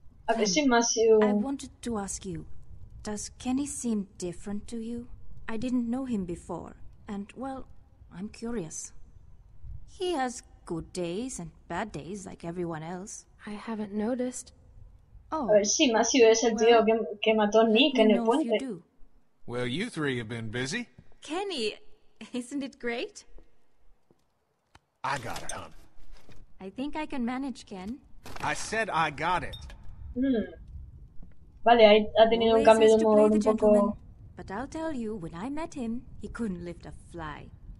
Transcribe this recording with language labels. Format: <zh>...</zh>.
<en>I wanted to ask you, does Kenny seem different to you? I didn't know him before, and, well, I'm curious. He has good days and bad days like everyone else. I haven't noticed.</en> <es>Oh, a ver, sí, Matthew es el tío que mató Nick en el puente.</es> <en>Well, you three have been busy. Kenny, isn't it great? I got it, hon. I think I can manage, Ken. I said I got it.</en> <es>Vale, ha tenido un cambio de humor un poco.</es> <en>But I'll tell you, when I met him, he couldn't lift a fly.</en>